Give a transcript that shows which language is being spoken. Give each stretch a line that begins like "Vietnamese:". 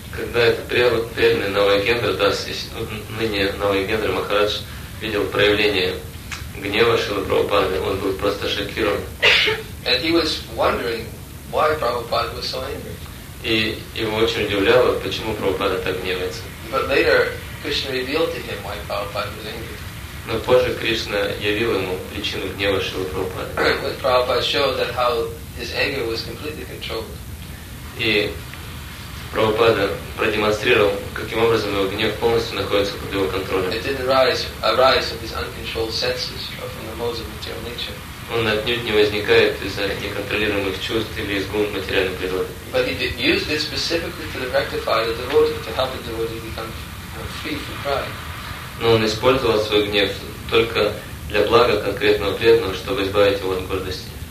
Russian: Когда этот преданный Навайгендра Дас, ныне Навайгендра Махарадж, видел проявление гнева Шрилы Прабхупады, он был просто шокирован.
English: And he was wondering why Prabhupada was so angry.
Russian: И его очень удивляло, почему Прабхупада так гневается.
English: But later, Krishna revealed to him why Prabhupada was angry.
Russian: Но позже Кришна явил ему причину гнева Шрилы Прабхупады.
English: When Prabhupada showed that how his anger was completely controlled.
Russian: И Прабхупада продемонстрировал, каким образом его гнев полностью находится под его контролем.
English: It didn't arise from his uncontrolled senses or from the modes of material nature.
Russian: Он отнюдь не возникает из-за неконтролируемых чувств или из гун материальной природы.
English: But he used it specifically to rectify the devotee, to help the devotee become free from pride.
Russian: Но он использовал свой гнев только для блага конкретного преданного, чтобы избавить его от гордости.